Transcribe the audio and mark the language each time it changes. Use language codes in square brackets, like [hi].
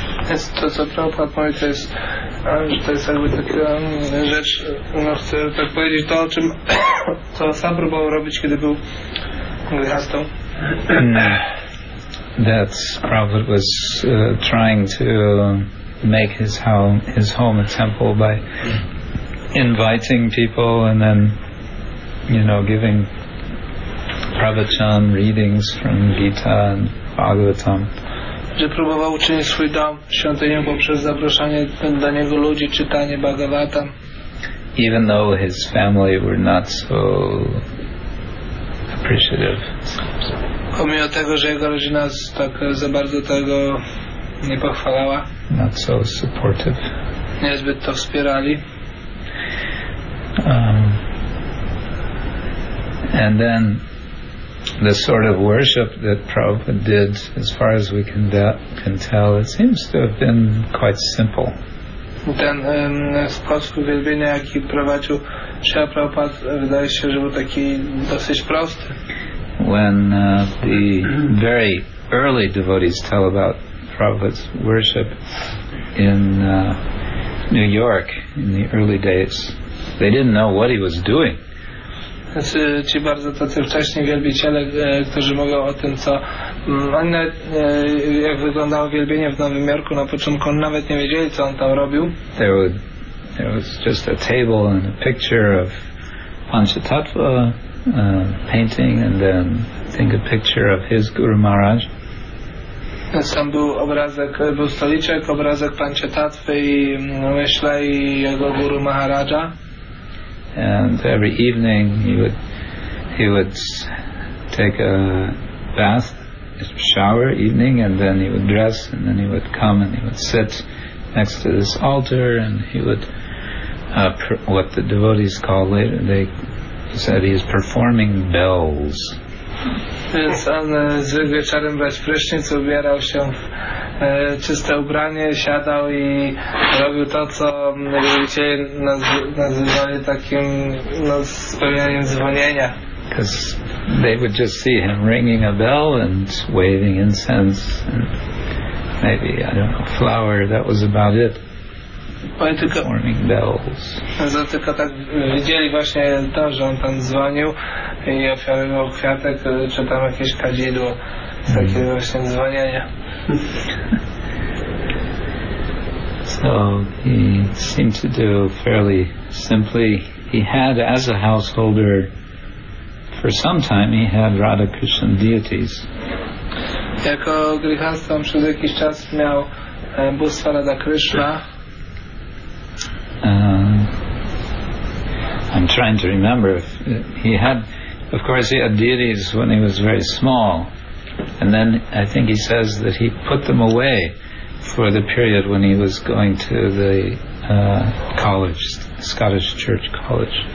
[pl] Jest to, co Prabhupada mówi, to jest, że to jest jakby taka rzecz, no chcę tak powiedzieć, to o czym co sam próbował robić, kiedy był gwiazdą. [en] That Prabhupada was trying to make his home a temple by inviting people and then, you know, giving pravachan readings from Gita and Bhagavatam. [pl] Że próbował uczynić swój dom świątynią poprzez zapraszanie do niego ludzi, czytanie Bhagavatam. [en] even though his family were not so appreciative. [pl] Pomimo tego, że jego rodzina tak za bardzo tego nie pochwalała. [en] Not so supportive. [pl] Niezbyt to wspierali. [en] And then the sort of worship that Prabhupada did, as far as we can tell, it seems to have been quite simple. [pl] Ten sposób uwielbienia, jaki prowadził Śrīla Prabhupāda, wydaje się, że był taki dosyć prosty. [en] When the very early devotees tell about Prabhupada's worship in New York in the early days, they didn't know what he was doing. [pl] Ci bardzo tacy wcześniej wielbiciele, którzy mówią o tym, co oni nawet, jak wyglądało wielbienie w Nowym Jorku na początku, oni nawet nie wiedzieli, co on tam robił. [en] There was just a table and a picture of Panchatattva painting, and then I think a picture of his Guru Maharaj. [pl] Tam był obrazek, był stoliczek, obrazek Panchatattvy i myśla i jego Guru Maharaja. [en] And every evening he would take a bath, a shower evening, and then he would dress, and then he would come and he would sit next to this altar, and he would what the devotees call later, they said he is performing bells. [pl] Więc on zwykł wieczorem brać prysznic, ubierał się w czyste ubranie, siadał i robił to, co ludzie nazywali takim spełnianiem dzwonienia. [en] Because they would just see him ringing a bell and waving incense and maybe, I don't know, flower, that was about it. Performing bells. [pl] Za tylko tak widzieli właśnie to, że on tam dzwonił i ofiarował kwiatek, czy tam jakieś kadzidło, z takiego właśnie dzwonienia. [en] So he seemed to do fairly simply. He had, as a householder, for some time, he had Radha Krishna deities. [pl] Jako grihastha przez jakiś czas miał bóstwa Radha Krishna. [en] I'm trying to remember if he had, of course he had deities when he was very small, and then I think he says that he put them away for the period when he was going to the college, Scottish Church College.